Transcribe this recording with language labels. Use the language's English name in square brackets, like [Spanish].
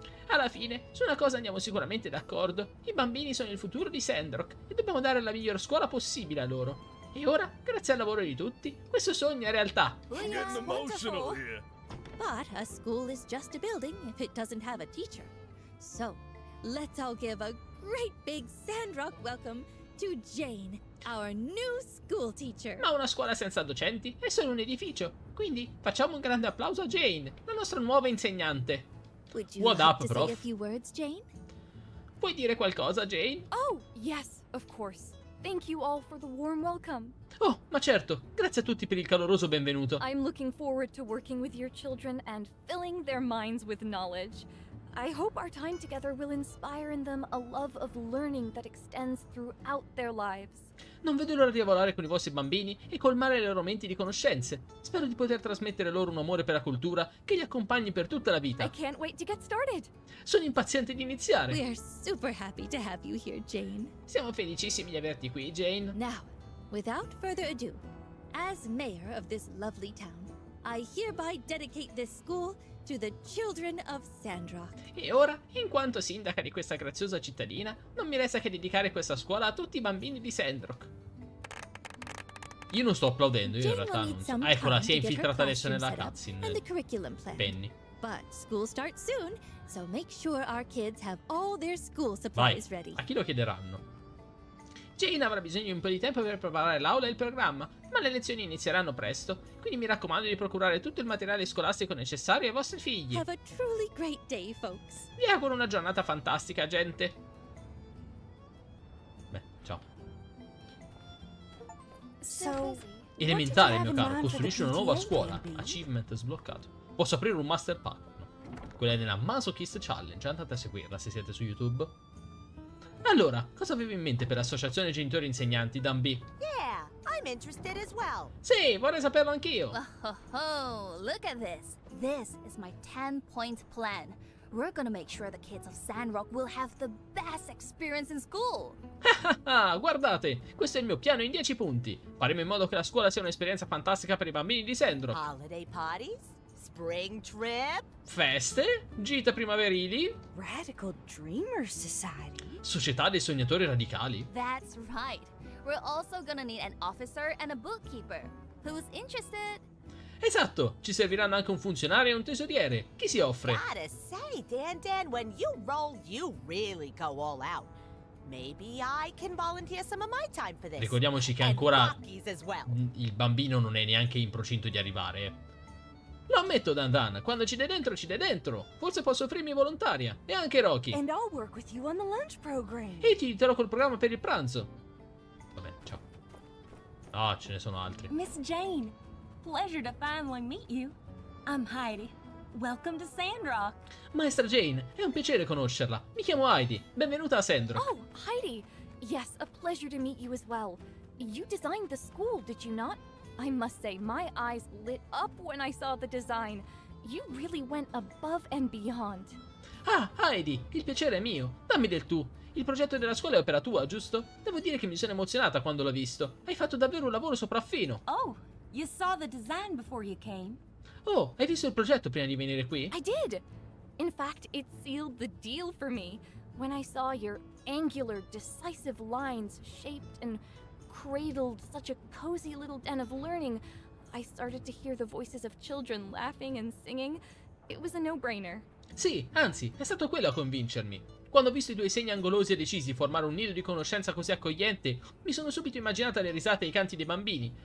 [Italian] Alla fine, su una cosa andiamo sicuramente d'accordo. I bambini sono il futuro di Sandrock e dobbiamo dare la miglior scuola possibile a loro. E ora, grazie al lavoro di tutti, questo sogno è realtà. [English] I'm getting emotional here. But a school is just a building if it doesn't have a teacher. So, let's all give a great big Sandrock welcome to Jane, our new school teacher. [Italian] Ma una scuola senza docenti è solo un edificio. Quindi, facciamo un grande applauso a Jane, la nostra nuova insegnante. [English] Would you like to say a few words, Jane? [Italian] Puoi dire qualcosa, Jane? [English] Oh, yes, of course. Thank you all for the warm welcome. [Italian] Oh, ma certo. Grazie a tutti per il caloroso benvenuto. [English] I'm looking forward to working with your children and filling their minds with knowledge. I hope our time together will inspire in them a love of learning that extends throughout their lives. [Italian] Non vedo l'ora di lavorare con i vostri bambini e colmare le loro menti di conoscenze. Spero di poter trasmettere loro un amore per la cultura che li accompagni per tutta la vita. [English] I can't wait to get started. [Italian] Sono impaziente di iniziare. [English] We are super happy to have you here, Jane. [Italian] Siamo felicissimi di averti qui, Jane. [English] Now, without further ado, as mayor of this lovely town, I hereby dedicate this school to the children of Sandrock. [Italian] E ora, in quanto sindaca di questa graziosa cittadina, non mi resta che dedicare questa scuola a tutti i bambini di Sandrock. Io non sto applaudendo, io in realtà non so. Ah, eccola, si è infiltrata adesso nella cutscene. Penny. [English] But school starts soon, so make sure our kids have all their school supplies ready. [Italian] Vai, a chi lo chiederanno? Jane avrà bisogno di un po' di tempo per preparare l'aula e il programma, ma le lezioni inizieranno presto, quindi mi raccomando di procurare tutto il materiale scolastico necessario ai vostri figli. [English] Have a truly great day, folks. [Italian] Vi auguro una giornata fantastica, gente. Beh, ciao. [English] So, [Italian] elementare, mio caro, costruisci una nuova scuola. Achievement sbloccato. Posso aprire un master pack? No. Quella è nella Masochist Challenge, andate a seguirla se siete su YouTube. Allora, cosa avevi in mente per l'associazione genitori insegnanti, Dan B? [English] Yeah, I'm interested as well. [Italian] Sì, vorrei saperlo anch'io. [English] Oh, oh, oh, look at this. This is my 10-point plan. We're gonna make sure the kids of Sandrock will have the best experience in school. [Italian] Guardate, questo è il mio piano in 10 punti. Faremo in modo che la scuola sia un'esperienza fantastica per i bambini di Sandrock. [English] Holiday parties? Spring trip? [Italian] Feste? Gite primaverili? [English] Radical Dreamer Society? [Italian] Società dei sognatori radicali? [English] That's right. We're also gonna need an officer and a bookkeeper. Who's interested? [Italian] Esatto! Ci serviranno anche un funzionario e un tesoriere. Chi si offre? [English] Gotta say, Dan, when you roll, you really go all out. Maybe I can volunteer some of my time for this. [Italian] Ricordiamoci che ancora [English] well. [Italian] Il bambino non è neanche in procinto di arrivare. Lo ammetto, Dan, quando ci dai dentro, ci dai dentro. Forse posso offrirmi volontaria. E anche Rocky. [English] And I'll work with you on the lunch program. [Italian] E ti aiuterò col programma per il pranzo. Vabbè, ciao. Ah, ce ne sono altri. [English] Miss Jane, pleasure to finally meet you. I'm Heidi. Welcome to Sandrock. [Italian] Maestra Jane, è un piacere conoscerla. Mi chiamo Heidi. Benvenuta a Sandrock. [English] Oh, Heidi. Yes, a pleasure to meet you as well. You designed the school, did you not? I must say, my eyes lit up when I saw the design. You really went above and beyond. [Italian] Ah, Heidi, il piacere è mio. Dammi del tu. Il progetto della scuola è opera tua, giusto? Devo dire che mi sono emozionata quando l'ho visto. Hai fatto davvero un lavoro sopraffino. [English] Oh, you saw the design before you came. [Italian] Oh, hai visto il progetto prima di venire qui? [English] I did. In fact, it sealed the deal for me when I saw your angular, decisive lines shaped and cradled such a cozy little den of learning. I started to hear the voices of children laughing and singing. It was a no-brainer. [Italian] Sì, anzi, è stato quello a convincermi. Quando ho visto i due segni angolosi e decisi formare un nido di conoscenza così accogliente, mi sono subito immaginata le risate e i canti dei bambini.